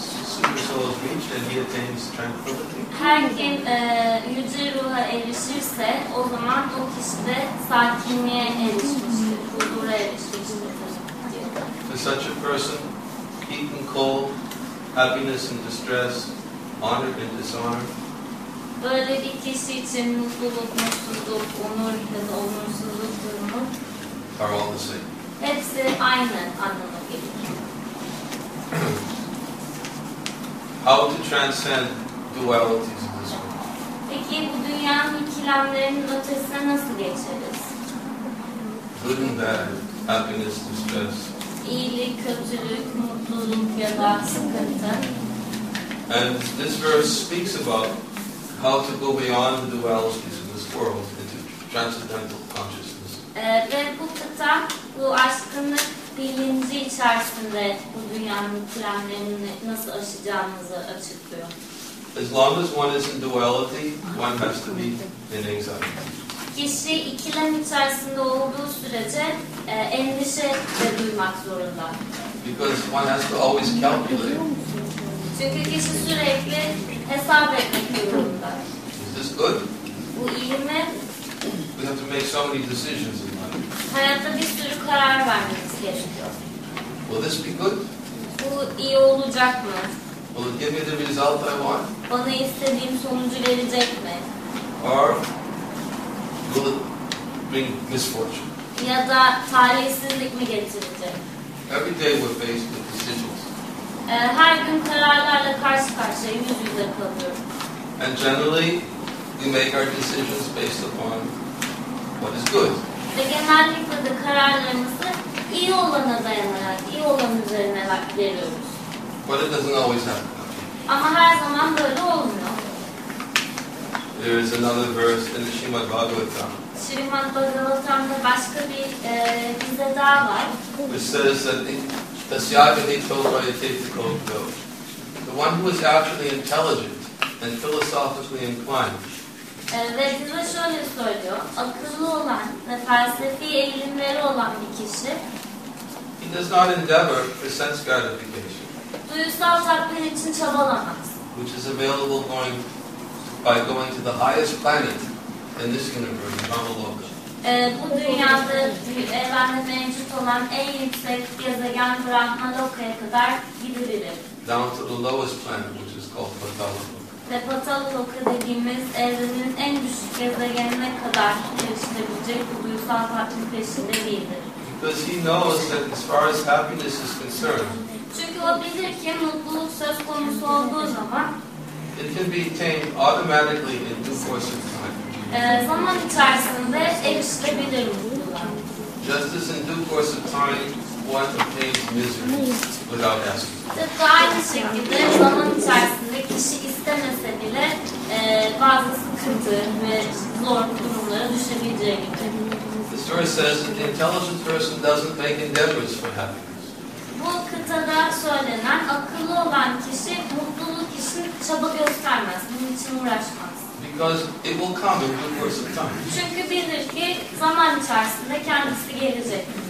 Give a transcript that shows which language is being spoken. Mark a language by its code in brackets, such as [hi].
[en] super soul is reached and he attains tranquility. [tr] Her kim yüce ruha erişirse o zaman o kişi de sakinliğe erişmiştir, huzura erişmiştir. [en] For such a person, heat and cold, happiness and distress, honor and dishonor. [tr] Böyle bir kişi için mutluluk, mutsuzluk, onur ya da onursuzluk durumu [en] are all the same. [tr] Hepsi aynı anlamı gerekiyor. [en] How to transcend dualities in this world? [tr] Peki bu dünyanın ikilemlerinin ötesine nasıl geçeriz? [en] Good and bad, happiness, distress. [tr] İyilik, kötülük, mutluluk ya da sıkıntı. [en] And this verse speaks about how to go beyond the dualities in this world into transcendental consciousness. [tr] Ve bu kıta bu aşkınlık bilinci içerisinde bu dünyanın ikilemlerini nasıl aşacağımızı açıklıyor. [en] As long as one is in duality, one has to be in anxiety. [tr] Kişi ikilem içerisinde olduğu sürece endişe de duymak zorunda. [en] Because one has to always calculate. [tr] Çünkü kişi sürekli hesap etmek zorunda. [en] Is this good? [tr] Bu iyi mi? [en] We have to make so many decisions in life. [tr] Hayatta bir sürü karar vermemiz gerekiyor. [en] Will this be good? [tr] Bu iyi olacak mı? [en] Will it give me the result I want? [tr] Bana istediğim sonucu verecek mi? [en] Or will it bring misfortune? [tr] Ya da talihsizlik mi getirecek? [en] Every day we're faced with decisions. [tr] Her gün kararlarla karşı karşıya yüz yüze kalıyorum. [en] And generally we make our decisions based upon what is good. [tr] Ve genellikle de kararlarımızı iyi olana dayanarak, iyi olan üzerine veriyoruz. [en] But it doesn't always happen. [tr] Ama her zaman böyle olmuyor. [en] There is another verse in the Srimad Bhagavatam. [tr] Srimad Bhagavatam'da başka bir bize daha var. [en] Which says that the Syagini told by the Tate Kogdo, the one who is actually intelligent and philosophically inclined. [tr] Ve bize şöyle söylüyor. Akıllı olan ve felsefi eğilimleri olan bir kişi [en] he does not endeavor for sense gratification. [tr] Duyusal tatmin için çabalamaz. [en] Which is available going by going to the highest planet in this universe, Brahmaloka. [tr] Bu dünyada evrende mevcut olan en yüksek gezegen Brahmaloka'ya kadar gidebilir. [en] Down to the lowest planet, which is called Patalaloka. [tr] Ve Patalaloka dediğimiz evrenin en düşük gezegenine kadar erişilebilecek bu duygusal tatmin peşinde değildir. [en] Because he knows that as far as happiness is concerned. [tr] Çünkü o bilir ki mutluluk söz konusu olduğu zaman [en] can be tamed automatically in due course of time. [tr] Zaman içerisinde erişilebilir bu. [en] Just as in due course of time, one obtains misery without asking. [tr] Tıpkı aynı şekilde zaman içerisinde kişi istemese bile bazı sıkıntı ve zor durumlara düşebileceği gibi. [en] The story says that the intelligent person doesn't make endeavors for happiness. [tr] Bu kıtada söylenen akıllı olan kişi mutluluk için çaba göstermez, bunun için uğraşmaz. [en] Because it will come in the course of time. [tr] Çünkü bilir ki zaman içerisinde kendisi gelecek.